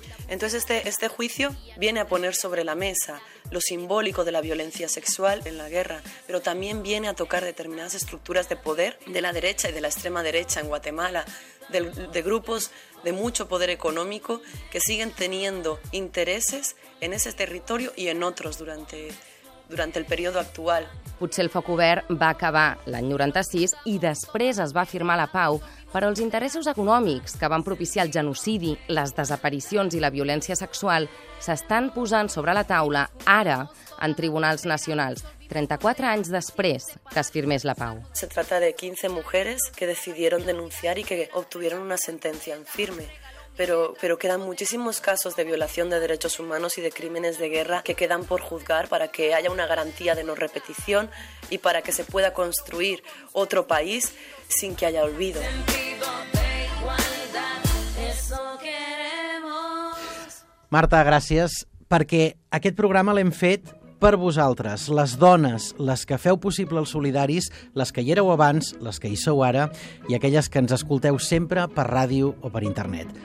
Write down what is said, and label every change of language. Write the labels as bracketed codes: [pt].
[es] Entonces este juicio viene a poner sobre la mesa lo simbólico de la violencia sexual en la guerra, pero también viene a tocar determinadas estructuras de poder de la derecha y de la extrema derecha en Guatemala, de grupos de mucho poder económico que siguen teniendo intereses en ese territorio y en otros durante el periodo actual. [ca] Potser el foc obert va acabar l'any 96 i després es va firmar la pau, però els interessos econòmics que van propiciar el genocidi, les desaparicions i la violència sexual s'estan posant sobre la taula ara en tribunals nacionals, 34 anys després que es firmés la pau. [es] Se trata de 15 mujeres que decidieron denunciar y que obtuvieron una sentencia en firme. Pero quedan muchísimos casos de violación de derechos humanos y de crímenes de guerra que quedan por juzgar para que haya una garantía de no repetición y para que se pueda construir otro país sin que haya olvido. [ca] Marta, gràcies, perquè aquest programa l'hem fet per vosaltres, les dones, les que feu possible els solidaris, les que hi éreu abans, les que hi sou ara, i aquelles que ens escolteu sempre per ràdio o per internet.